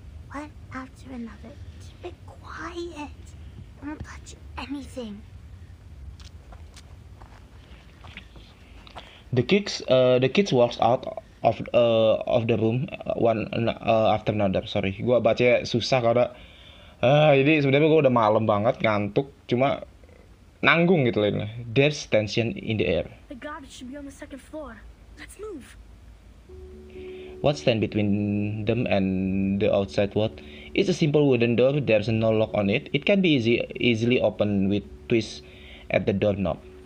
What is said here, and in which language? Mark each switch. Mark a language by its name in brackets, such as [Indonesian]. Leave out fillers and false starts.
[English] One after another. Keep it quiet. Don't touch anything. The kids walks out of the room after another. [Indonesian] Sorry, gua baca susah karena jadi sebenarnya gua udah malam banget, ngantuk, cuma nanggung gitu lainnya. [English] There's tension in the air. The garbage should be on the second floor. Let's move. What stands between them and the outside world? It's a simple wooden door. There's no lock on it. It can be easily opened with twist at the doorknob.